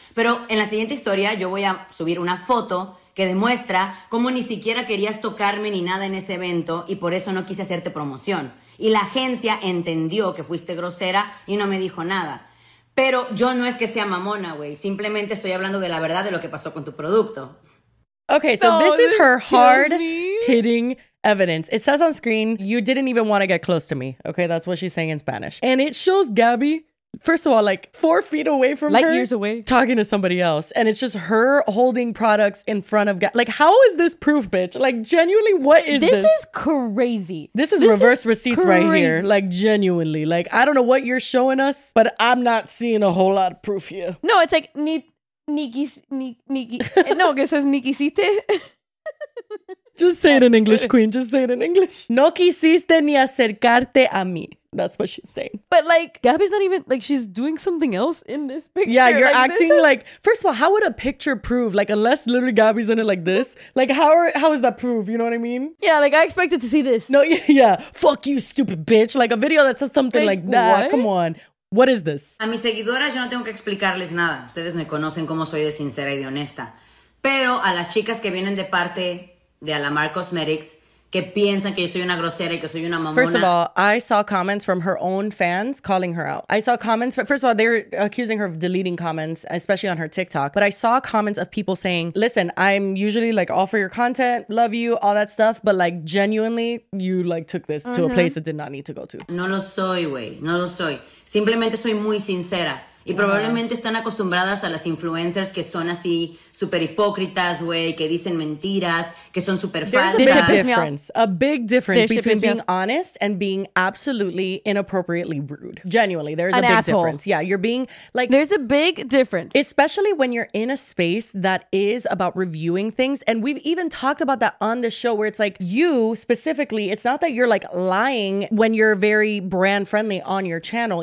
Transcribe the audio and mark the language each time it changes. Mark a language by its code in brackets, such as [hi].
[es] Pero en la siguiente historia yo voy a subir una foto que demuestra cómo ni siquiera querías tocarme ni nada en ese evento y por eso no quise hacerte promoción. Y la agencia entendió que fuiste grosera y no me dijo nada. Pero yo no es que sea mamona, güey. Simplemente estoy hablando de la verdad de lo que pasó con tu producto. [en] Okay, so no, this is her hard hitting evidence. It says on screen, you didn't even want to get close to me. Okay, that's what she's saying in Spanish. And it shows Gabby, first of all, like 4 feet away from light her. Light years away. Talking to somebody else. And it's just her holding products in front of Gabby. Like, how is this proof, bitch? Like, genuinely, what is this? This is crazy. This is reverse receipts right here. Like, genuinely. Like, I don't know what you're showing us, but I'm not seeing a whole lot of proof here. No, it's like, Niki. No, it says Nikisite. Just say it in English, queen. Just say it in English. [es] No quisiste ni acercarte a mí. [en] That's what she's saying. But like, Gabby's not even, like, she's doing something else in this picture. Yeah, you're like, acting like, first of all, how would a picture prove? Like, unless literally Gabby's in it like this. Like, how is that proof? You know what I mean? Yeah, like, I expected to see this. No, yeah. Fuck you, stupid bitch. Like, a video that says something like that. What? Come on. What is this? [es] A mis seguidoras yo no tengo que explicarles nada. Ustedes me conocen como soy de sincera y de honesta. Pero a las chicas que vienen de parte de Alamar Cosmetics, que piensan que yo soy una grosera y que soy una mamona. [en] First of all, I saw comments from her own fans calling her out. I saw comments, but first of all, they're accusing her of deleting comments, especially on her TikTok. But I saw comments of people saying, listen, I'm usually like all for your content, love you, all that stuff. But like genuinely, you like took this mm-hmm. to a place it did not need to go to. [es] No lo soy, güey. No lo soy. Simplemente soy muy sincera. Y probablemente están acostumbradas a las influencers que son así super hipócritas, güey, que dicen mentiras, que son super falsas. [en] There's a big difference. A big difference between being honest and being absolutely inappropriately rude. Genuinely, there's an a big asshole. Difference. Yeah, you're being like... There's a big difference. Especially when you're in a space that is about reviewing things. And we've even talked about that on the show where it's like you specifically, it's not that you're like lying when you're very brand friendly on your channel.